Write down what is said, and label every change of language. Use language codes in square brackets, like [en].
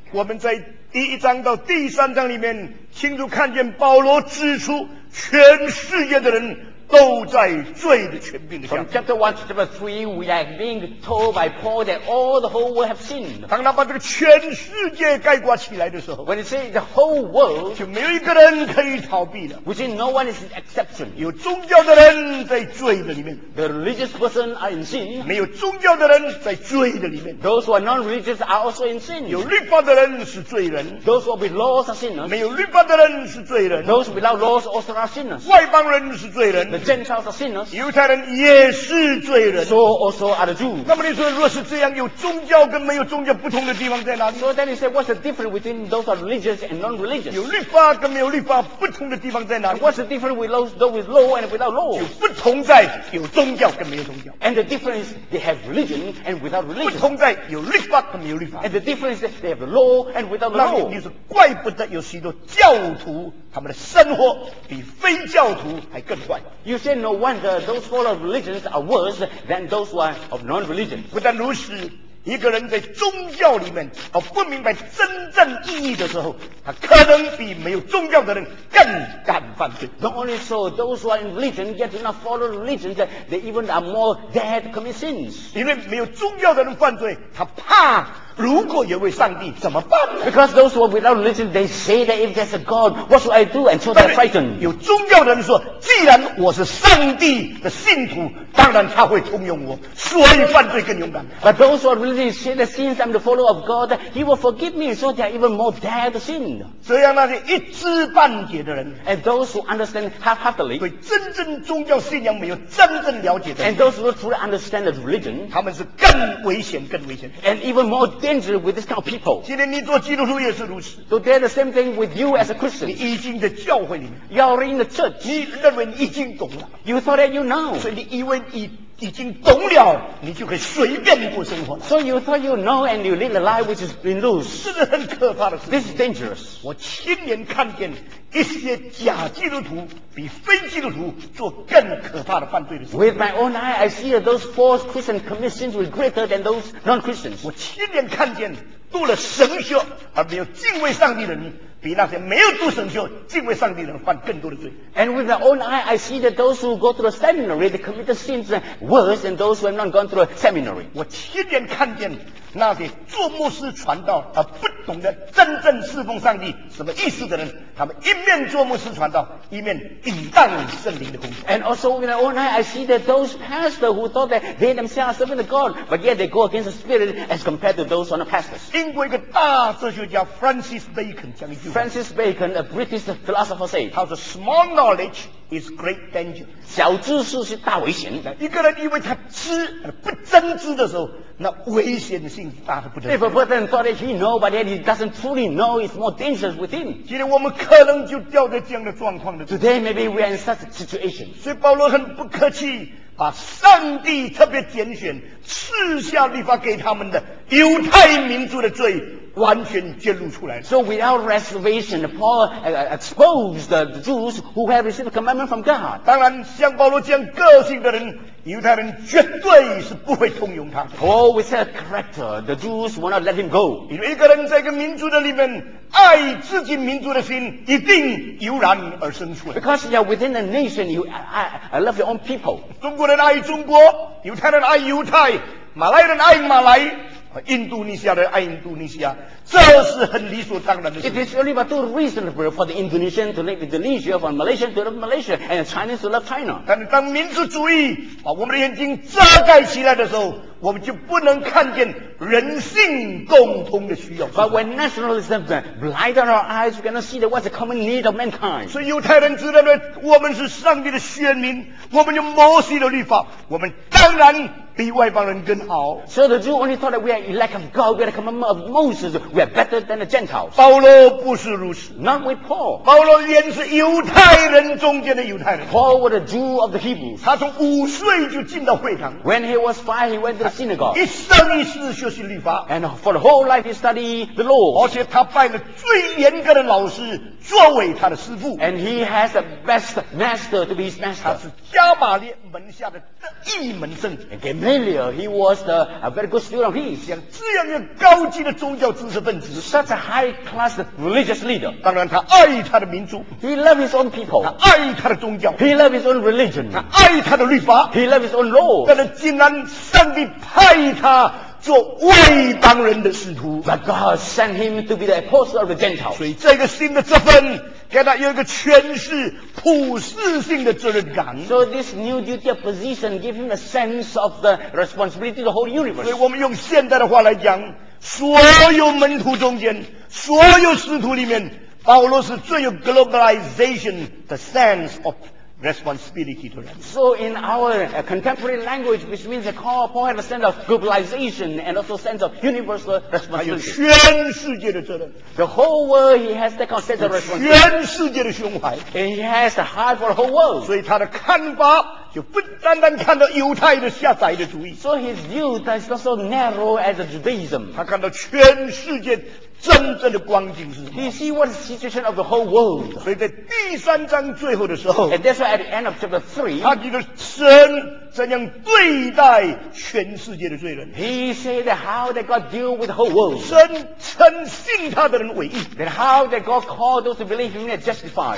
[zh] 我们在第一章到第三章里面清楚看见保罗指出全世界的人都在罪的权柄下。 [en] From chapter 1 to chapter 3 we are being told by Paul that all the whole world have sinned. [zh] 当他把这个全世界概括起来的时候， [en] When he says the whole world, [zh] 就没有一个人可以逃避的。 [en] Which is no one is an exception. [zh] 有宗教的人在罪的里面， [en] The religious person are in sin. [zh] 没有宗教的人在罪的里面， [en] Those who are non-religious are also in sin. [zh] 有律法的人是罪人， [en] Those who are with laws are sinners. [zh] 没有律法的人是罪人， [en] Those without laws also are sinners. [zh] 外邦人是罪人， [en] The Gentiles are sinners. [zh] 犹太人也是罪人。 [en] So also are the Jews. [zh] 那么你说，若是这样，有宗教跟没有宗教不同的地方在哪里？ [en] So then you say, what's the difference between those are religious and non-religious? [zh] 有律法跟没有律法不同的地方在哪里？ [en] What's the difference with those with law and without law? [zh] 有不同在有宗教跟没有宗教。 [en] And the difference they have religion and without religion. [zh] 不同在有律法跟没有律法。 [en] And the difference they have law and without law. [zh] 那你是怪不得有许多教徒他们的生活比非教徒还更坏。 [en] You say no wonder those full of religions are worse than those who are of non-religion. [zh] 不但如此，一个人在宗教里面他不明白真正意义的时候，他可能比没有宗教的人更敢犯罪。 [en] Not only so, those who are in religion yet do not follow religion, they even are more dare to commit sins. [zh] 因为没有宗教的人犯罪，他怕如果有位上帝怎么办？ [en] Because those who are without religion, they say that if there's a God, what should I do? And so they're frightened. [zh] 有宗教的人说，既然我是上帝的信徒，当然他会通用我，所以犯罪更勇敢。 [en] But those who are religion say that since I'm the follower of God, he will forgive me, so they're even more dare to sin. [zh] 这样那些一知半解的人， [en] And those who understand half-heartedly, [zh] 对真正宗教信仰没有真正了解的人， [en] And those who truly understand the religion, [zh] 他们是更危险更危险。 [en] And even more danger with this kind of people. [zh] 今天你做基督徒也是如此。 [en] So they're the same thing with you as a Christian. [zh] 你已经在教会里面， [en] You're in the church. [zh] 你认为你已经懂了， [en] You thought that you know. [zh] 所以你以为你已经懂了，你就可以随便过生活了。 [en] So you thought you know and you live a life which has been loose. [zh] 这是很可怕的事。 [en] This is dangerous. [zh] 我亲眼看见一些假基督徒比非基督徒做更可怕的犯罪的事。 [en] With my own eye, I see that those false Christians commit sins were greater than those non-Christians. [zh] 我亲眼看见读了神学而没有敬畏上帝的人，比那些没有读神学敬畏上帝的人犯更多的罪。 [en] And with my own eye, I see that those who go to the seminary they committed sins worse than those who have not gone to the seminary. [zh] 我亲眼看见那些做牧师传道而不懂得真正侍奉上帝什么意思的人，他们一面做牧师传道，一面引荡圣灵的工作。 [en] And also with my own eye, I see that those pastors who thought that they themselves are serving the God, but yet they go against the spirit as compared to those who are not pastors. [zh] 英国一个大哲学家 Francis Bacon 讲一句话。 [en] Francis Bacon, a British philosopher, said, [zh] 他说 [en] small knowledge is great danger. [zh] 小知识是大危险。一个人以为他知而不真知的时候，那危险性大得不得了。 [en] If a person thought that he know but that he doesn't truly know, it's more dangerous with him. [zh] 今天我们可能就掉在这样的状况的。 [en] Today maybe we are in such a situation. [zh] 所以保罗很不客气，把上帝特别拣选赐下律法给他们的犹太民族的罪完全揭露出来。 [en] So without reservation, Paul exposed the Jews who have received the commandment from God. [zh] 当然像保罗这样个性的人，犹太人绝对是不会通用他的。 [en] Paul with that character, the Jews will not let him go. [zh] 因为一个人在一个民族的里面，爱自己民族的心一定油然而生出来。 [en] Because you are within a nation, you I love your own people. [zh] 中国人爱中国，犹太人爱犹太，马来人爱马来，印度尼西亚的爱印度尼西亚，这是很理所当然的事。 [en] It is only but too reasonable for the Indonesian to love Indonesia, for Malaysia to love Malaysia, and Chinese to love China. [zh] 但当民族主义把我们的眼睛遮盖起来的时候，我们就不能看见人性共通的需要。 [en] But when nationalism blinds our eyes, we cannot see what's the common need of mankind. [zh] 所以犹太人知道呢，我们是上帝的选民，我们有摩西的律法，我们当然比外邦人更好。 [en] So the Jew only thought that we are elect of God, we are the commandment of Moses, we are better than the Gentiles. [zh] 保罗不是如此。 [en] Not with Paul. [zh] 保罗原是犹太人中间的犹太人。 [en] Paul was a Jew of the Hebrews. [zh] 他从五岁就进到会堂。 [en] When he was five, he went to the synagogue. [zh] 一生一世学习律法。 [en] And for the whole life, he studied the law. [zh] 而且他拜了最严格的老师作为他的师父。 [en] And he has the best master to be his master. [zh] 他是加玛列门下的一门生。 Amen. familiar. [en] He was the, a very good student of his. [zh] 像这样一个高级的宗教知识分子。 [en] Such a high class religious leader. [zh] 当然他爱他的民族。 [en] He loved his own people. [zh] 他爱他的宗教。 [en] He loved his own religion. [zh] 他爱他的律法。 [en] He loved his own law. [zh] 但是竟然上帝派他做外邦人的使徒。 [en] But God sent him to be the apostle of the Gentiles. [zh] 所以这个新的职分给他有一个诠释普世性的责任感。 [en] So this new duty of position gave him a sense of the responsibility to the whole universe. [zh] 所以我们用现代的话来讲，所有门徒中间，所有使徒里面，保罗是最有 [en] globalization the sense of responsibility to them. So in our contemporary language, which means the call Paul had a sense of globalization and also sense of universal responsibility. [zh] 还有全世界的责任。 [en] The whole world, he has that kind of sense of responsibility. [zh] 全世界的胸怀。 [en] And he has the heart for the whole world. [zh] 所以他的看法就不单单看到犹太的下载的主义。 [en] So his view is not so narrow as the Judaism. [zh] 他看到全世界真正的光景是什么？ [en] He see what situation of the whole world. [zh] 所以在第三章最后的时候， [en] and that's why at the end of chapter 3, [zh] 他觉得神怎样对待全世界的罪人。 [en] He said that how that God deal with the whole world. [zh] 神称信他的人为义。 [en] That how that God called those who believe in him and justified.